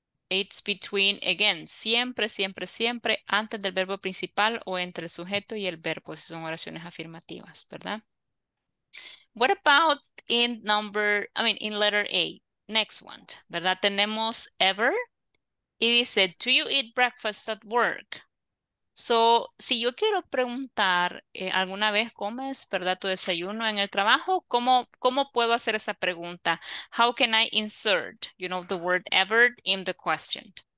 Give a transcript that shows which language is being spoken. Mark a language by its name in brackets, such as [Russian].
[English] It's between, again, [Spanish] siempre, siempre, siempre, antes del verbo principal o entre el sujeto y el verbo, si son oraciones afirmativas, ¿verdad? [English] What about in number, I mean, in letter A, next one, ¿verdad? [Spanish] Tenemos ever. Y dice, [English] do you eat breakfast at work? [Spanish] So, si yo quiero preguntar, ¿alguna vez comes, verdad, tu desayuno en el trabajo? ¿Cómo puedo hacer esa pregunta? [English] How can I insert, you know, the word ever in the question?